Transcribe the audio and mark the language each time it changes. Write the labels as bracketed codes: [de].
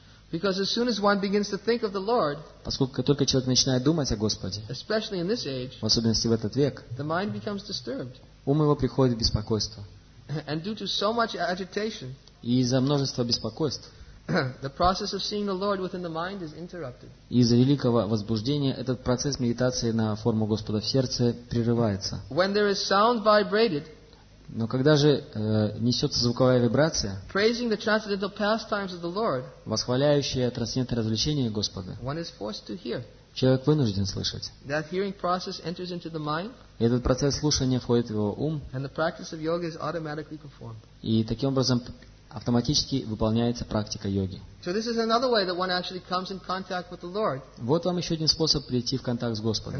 [en] Because as soon as one begins to think of the Lord, [ru] поскольку только человек начинает думать о Господе, [en] especially in this age, [ru] в особенности в этот век, [en] the mind becomes disturbed. [ru] Ум его приходит в беспокойство. [en] And due to so much agitation, [ru] и из-за множества беспокойств, [en] the process of seeing the Lord within the mind is interrupted. [ru] Из-за великого возбуждения этот процесс медитации на форму Господа в сердце прерывается. [en] When there is sound vibrated, [ru] но когда же несется звуковая вибрация, [en] praising the transcendental pastimes of the Lord, [ru] восхваляющая трансцендентные развлечения Господа, [en] one is forced to hear. [ru] Человек вынужден слышать. [en] That hearing process enters into the mind, [ru] и этот процесс слушания входит в его ум, [en] and the practice of yoga is automatically performed. [ru] И таким образом автоматически выполняется практика йоги. [en] So this is another way that one actually comes in contact with the Lord. [ru] Вот вам еще один способ прийти в контакт с Господом.